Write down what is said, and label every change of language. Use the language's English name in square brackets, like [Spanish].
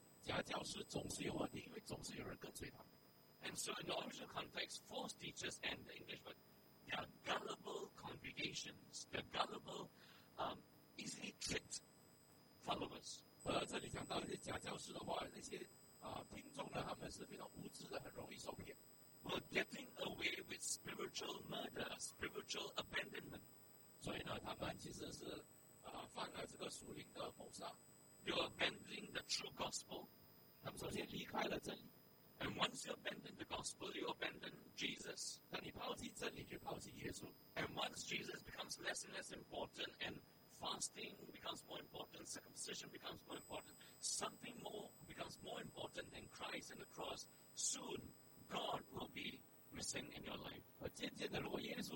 [Chinese] 可是从第一世纪到第二十一世纪的教会当中，假教师总是有问题，因为总是有人跟随他们。 [English] And so in the original context, false teachers and the English, but they are gullible congregations, they're gullible, easily tricked followers. [Chinese] 这里讲到那些假教师的话，那些听众呢，他们是非常无知的，很容易受骗。 [English] We're getting away with spiritual murder, spiritual abandonment. [Chinese] 所以呢，他们其实是犯了这个属灵的谋杀。 [English] You're abandoning the true gospel. [Chinese] 他们首先离开了真理。 [English] And once you abandon the gospel, you abandon Jesus. [Chinese] 当你抛弃真理，就抛弃耶稣。 [English] And once Jesus becomes less and less important, and fasting becomes more important, circumcision becomes more important, something more becomes more important than Christ and the cross, soon God will be missing in your life.